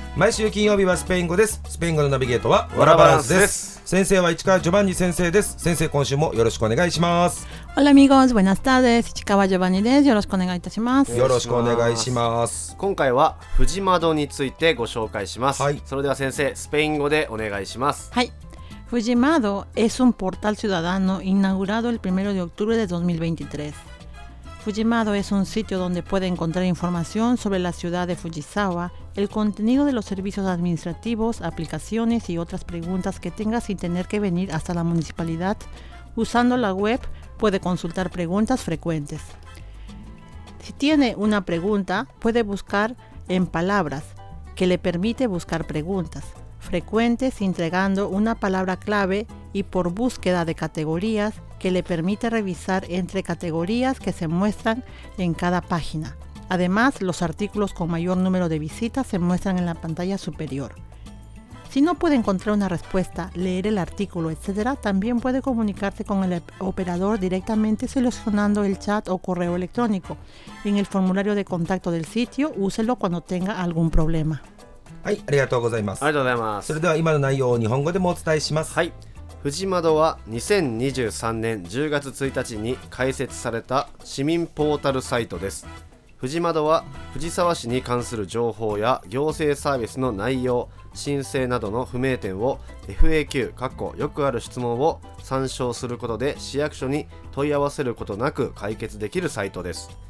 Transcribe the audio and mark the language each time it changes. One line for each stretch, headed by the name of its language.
Japanese: 毎週金曜日はスペイン語です。スペイン語のナビゲートはワラバランスです。先生は市川ジョバンニ先生です。先生、今週もよろしくお願いします。オラミゴーズ、ブエナスターです。市川ジョバンニです。よろしくお願いいたします。よろしくお願いします。今回は藤窓についてご紹介します、はい、それでは先生、スペイン語でお願いします。
Spanish: はい、藤窓 es un portal ciudadano inaugurado el 1 de octubre de 2023. Fujimado es un sitio donde puede encontrar información sobre la ciudad de Fujisawa, el contenido de los servicios administrativos, aplicaciones y otras preguntas que tenga sin tener que venir hasta la municipalidad. Usando la web, puede consultar preguntas frecuentes. Si tiene una pregunta, puede buscar en palabras, que le permite buscar preguntas frecuentes entregando una palabra clave y por búsqueda de categorías que le permite revisar entre categorías que se muestran en cada página. Además, los artículos con mayor número de visitas se muestran en la pantalla superior. Si no puede encontrar una respuesta, leer el artículo, etc., también puede comunicarse con el operador directamente seleccionando el chat o correo electrónico. En el formulario de contacto del sitio, úselo cuando tenga algún problema.
Japanese: はい、ありがとうございます。ありがとうございます。それでは今の内容を日本語でもお伝えします。はい、藤窓は2023年10月1日に開設された市民ポータルサイトです。藤窓は藤沢市に関する情報や行政サービスの内容、申請などの不明点を FAQ よくある質問を参照することで市役所に問い合わせることなく解決できるサイトです。